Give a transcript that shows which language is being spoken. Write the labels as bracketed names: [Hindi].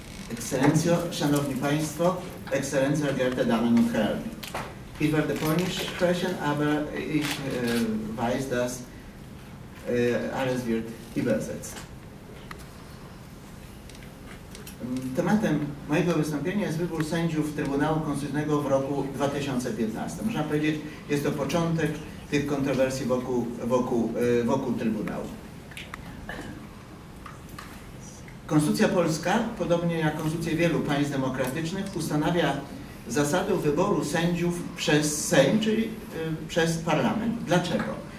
[Polish] Ekscelencjo, Szanowni Państwo, Ekscelencjo Goethe, [German] Damen und Herren. [English] It was the Polish question, [German] aber ich weiß, dass alles wird übersetzt. [Polish] Tematem mojego wystąpienia jest wybór sędziów Trybunału Konstytucyjnego w roku 2015. Można powiedzieć, jest to początek tych kontrowersji wokół Trybunału. Konstytucja polska, podobnie jak konstytucje wielu państw demokratycznych, ustanawia zasadę wyboru sędziów przez Sejm, czyli przez parlament. Dlaczego?